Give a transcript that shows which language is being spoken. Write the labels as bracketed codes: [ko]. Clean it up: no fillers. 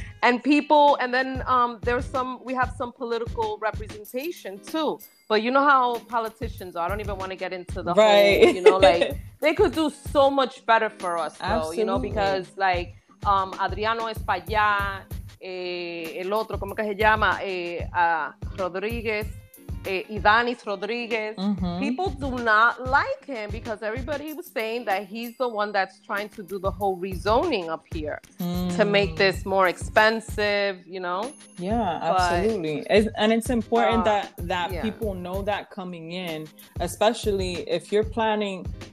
[en] And people, and then we have some political representation too. But you know how politicians are. I don't even want to get into the whole, you know, like, they could do so much better for us, though. Absolutely. You know, because, like, Adriano Espaillat, [es] el otro, ¿cómo que se llama? Rodríguez, Idanis Rodríguez. Mm-hmm. [en] People do not like him because everybody was saying that he's the one that's trying to do the whole rezoning up here to make this more expensive, you know? Yeah, absolutely. It's important that people know that coming in, especially if you're planning...